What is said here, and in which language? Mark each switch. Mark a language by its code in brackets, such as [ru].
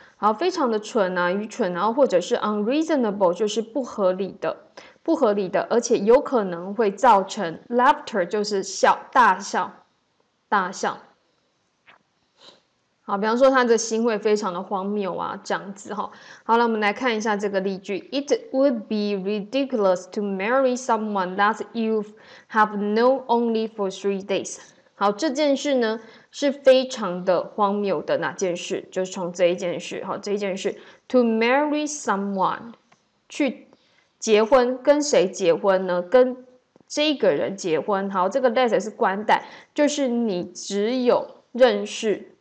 [zh] 好，非常的蠢啊、愚蠢，然后或者是 unreasonable 就是不合理的、不合理的，而且有可能会造成 laughter 就是笑、大笑、大笑。好，比方说他的行为非常的荒谬啊，这样子哈。好了，我们来看一下这个例句： [en] It would be ridiculous to marry someone that you have known only for 3 days。 [zh] 好，这件事呢是非常的荒谬的。哪件事？就是从这一件事，哈，这一件事， [en] to marry someone， [zh] 去结婚，跟谁结婚呢？跟这个人结婚。好，这个 that 是冠带，就是你只有认识。